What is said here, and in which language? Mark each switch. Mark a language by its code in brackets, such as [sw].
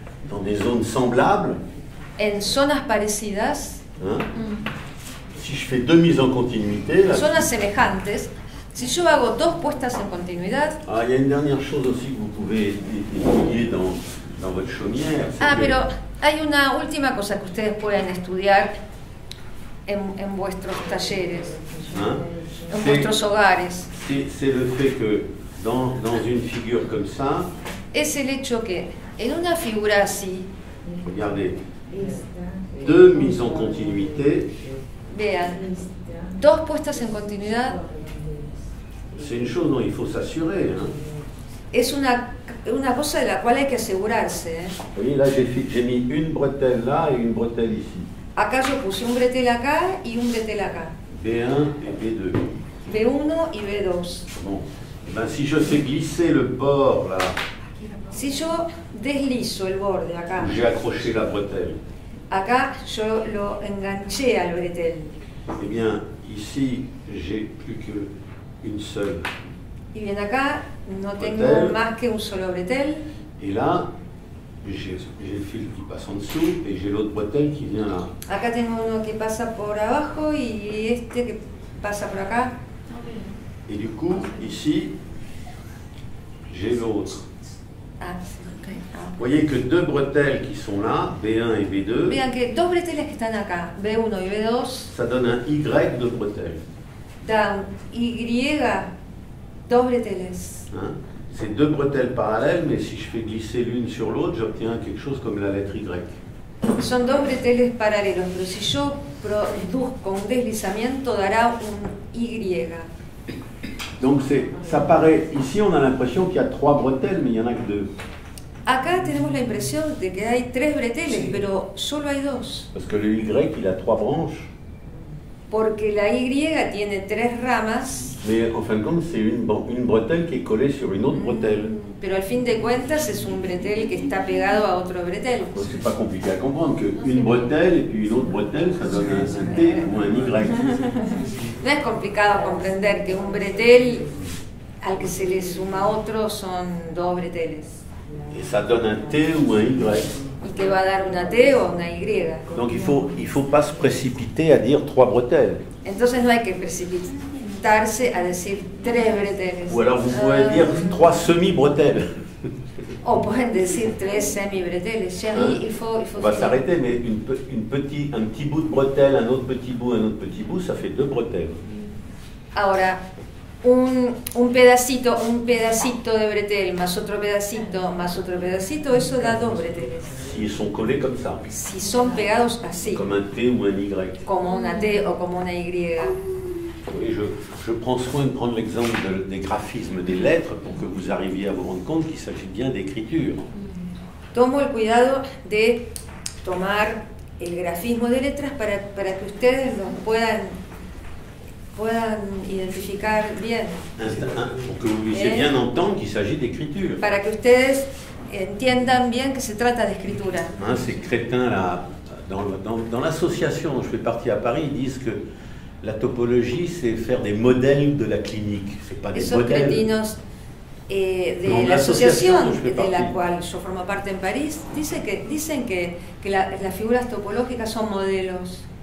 [fr] Dans des zones semblables. [es] En zonas parecidas. Hein? Mm. [fr] Si je fais deux mises en continuité. Là, [es] zonas semejantes. Si yo hago dos puestas en continuidad. Ah, y hay una [fr] dernière chose aussi que vous pouvez étudier dans votre chaumière. [es] Ah, pero hay una última cosa que ustedes pueden estudiar en vuestros talleres, hein? En vuestros hogares. [fr] C'est le fait que dans une figure comme ça. [es] Es el hecho que en una figura así. [fr] Regardez. Deux mises en continuité. [es] Vean. Dos puestas en continuidad. [fr] C'est une chose dont il faut s'assurer. Hein. [es] Es una cosa de la cual hay que asegurarse. [fr] Vous voyez, là j'ai mis une bretelle là et une bretelle ici. [es] Acá yo puse un bretel acá y un bretel acá. [fr] B1 et B2. [es] B1 y B2. [fr] Bon. Ben, si je fais glisser le bord là. [es] Si yo deslizo el borde acá. [fr] J'ai accroché la bretelle. [es] Acá yo lo enganché al bretel. [fr] Eh bien, ici j'ai plus que. Une seule. [es] Y bien acá no bretel. Tengo más que un solo bretel. [fr] Et là, j'ai le fil qui passe en dessous et j'ai l'autre bretel qui vient là. [es] Acá tengo uno que pasa por abajo y este que pasa por acá. [fr] Et du coup, ici, j'ai l'autre. Ah, okay. Ah. Vous voyez que deux bretelles qui sont là, B1 et B2. [es] Vean que dos bretelles que están acá, B1 y B2. [fr] Ça donne un Y de bretelles. Hein? C'est deux bretelles parallèles, mais si je fais glisser l'une sur l'autre, j'obtiens quelque chose comme la lettre Y. [es] Son dos bretelles paralelos, pero si yo produzco un deslizamiento, dará un Y. [fr] Donc ça paraît, ici on a l'impression qu'il y a trois bretelles, mais il n'y en a que deux. [es] Acá tenemos la impresión de que hay tres bretelles, sí. Pero solo hay dos. [fr] Parce que le Y, il a trois branches. [es] Porque la Y tiene tres ramas. [fr] Mais en fin de compte, c'est une bretelle qui est collée sur une autre bretelle. [es] Pero al fin de cuentas, es un bretel que está pegado a otro bretel. [fr] C'est pas compliqué à comprendre que une bretelle et puis une autre bretelle, ça donne un T ou un Y. [es] No es complicado comprender que un bretel al que se le suma otro son dos breteles. [fr] Et ça donne un T ou un Y. [es] Que va a dar una T o una Y. [fr] Donc il faut pas se précipiter à dire trois bretelles. [es] Entonces no hay que precipitarse a decir tres bretelles. [fr] Ou alors vous pouvez dire trois semi-bretelles. [es] O pueden decir tres semi-bretelles. [fr] Chérie, hein? il faut on va s'arrêter, mais un petit bout de bretelle, un autre petit bout, ça fait deux bretelles. [es] Ahora, un pedacito de bretelle, más otro pedacito, eso da dos bretelles. [fr] Ils sont collés comme ça. [es] Si son pegados así. [fr] Comme un T ou un Y. [es] Como una T o como una Y. [fr] Et je prends soin de prendre l'exemple des graphismes des lettres pour que vous arriviez à vous rendre compte qu'il s'agit bien d'écriture. [es] Tomo el cuidado de tomar el grafismo de letras para que ustedes lo puedan identificar bien. [fr] Pour que vous puissiez bien entendre qu'il s'agit d'écriture. [es] Para que ustedes entiendan bien que se trata de escritura. [fr] Hein, ces crétins là, dans l'association dont je fais partie à Paris, ils disent que la topologie c'est faire des modèles de la clinique, c'est pas des [es] esos [fr] modèles. [es] Cretinos, de non, l'association de la cual yo formo parte en París dicen que las figuras topológicas son modelos.